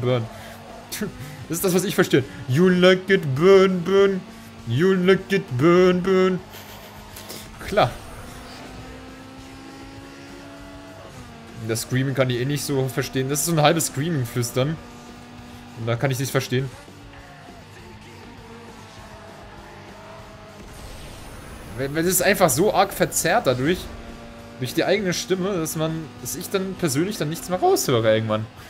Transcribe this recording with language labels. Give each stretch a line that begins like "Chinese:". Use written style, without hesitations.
German: Das ist das, was ich verstehe.
English: You like it burn. You like it burn.
German: klar. Das Screaming kann ich eh nicht so verstehen. Das ist so ein halbes Screaming-Flüstern. Und da kann ich nicht verstehen. Das ist einfach so arg verzerrt dadurch. Durch die eigene Stimme, dass ich dann persönlich dann nichts mehr raushöre irgendwann.